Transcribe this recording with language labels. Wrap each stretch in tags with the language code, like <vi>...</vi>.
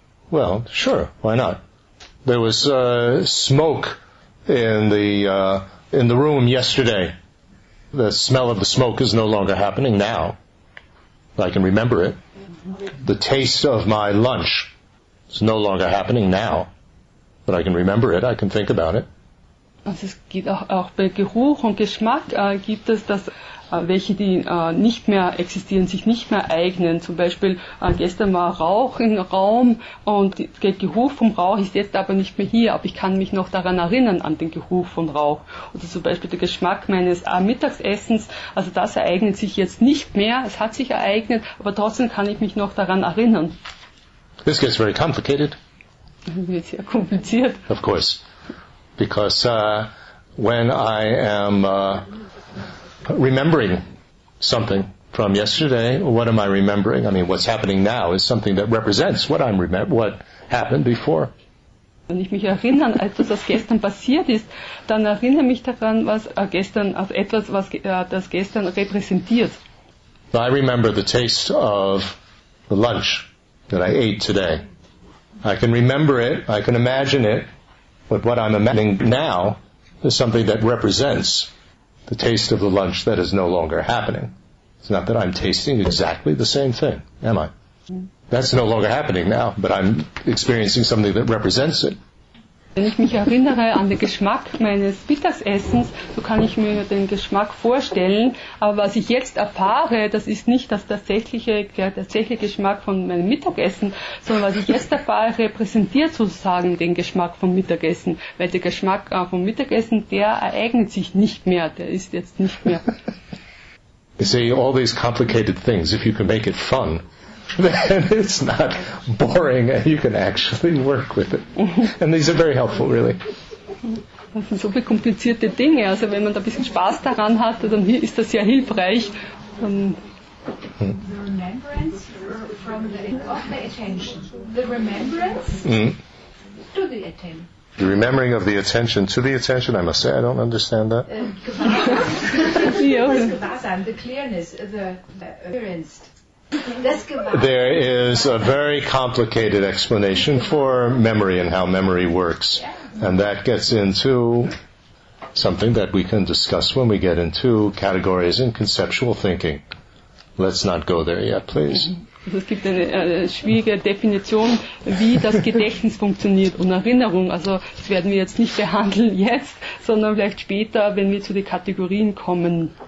<en>Well, sure, why not? There was smoke in the room yesterday. The smell of the smoke is no longer happening now. I can remember it. the taste of my lunch. It's no longer happening now, but I can remember it, I can think about it.</en> <de>Also es geht auch bei Geruch und Geschmack gibt es das, welche die nicht mehr existieren, sich nicht mehr eignen. Zum Beispiel gestern war Rauch im Raum und der Geruch vom Rauch ist jetzt aber nicht mehr hier, aber ich kann mich noch daran erinnern an den Geruch von Rauch. Oder zum Beispiel der Geschmack meines Mittagsessens, also das ereignet sich jetzt nicht mehr, es hat sich ereignet, aber trotzdem kann ich mich noch daran erinnern.</de> <en>This gets very complicated.</en> <de>Das wird sehr kompliziert.</de> <en>Of course. Because when I am remembering something from yesterday, what am I remembering? I mean, what's happening now is something that represents what I'm what happened before.</en> <de>Wenn ich mich erinnere an etwas, was gestern passiert ist, dann erinnere mich daran, was gestern auf etwas, was das gestern repräsentiert.</de> <en>I remember the taste of the lunch that I ate today. I can remember it. I can imagine it. But what I'm imagining now is something that represents the taste of the lunch that is no longer happening. It's not that I'm tasting exactly the same thing, am I? That's no longer happening now, but I'm experiencing something that represents it.</en> <de>Wenn ich mich erinnere an den Geschmack meines Mittagessens, so kann ich mir den Geschmack vorstellen, aber was ich jetzt erfahre, das ist nicht der tatsächliche Geschmack von meinem Mittagessen, sondern was ich jetzt erfahre, repräsentiert sozusagen den Geschmack vom Mittagessen, weil der Geschmack vom Mittagessen, der ereignet sich nicht mehr, der ist jetzt nicht mehr.</de> <en>You see, all these complicated things, if you can make it fun, then it's not boring and you can actually work with it. And these are very helpful, really.</en> <de>Das sind so komplizierte Dinge. Also wenn man da ein bisschen Spaß daran hat, dann ist das sehr hilfreich.</de> <en>The remembrance of the attention. The remembrance to the attention. The remembering of the attention to the attention, I must say, I don't understand that. The clearness, the appearance. There is a very complicated explanation for memory and how memory works. And that gets into something that we can discuss when we get into categories and conceptual thinking. Let's not go there yet, please.</en> <de>Es gibt eine schwierige Definition, wie das Gedächtnis funktioniert und Erinnerung. Also das werden wir jetzt nicht behandeln jetzt, sondern vielleicht später, wenn wir zu den Kategorien kommen.</de>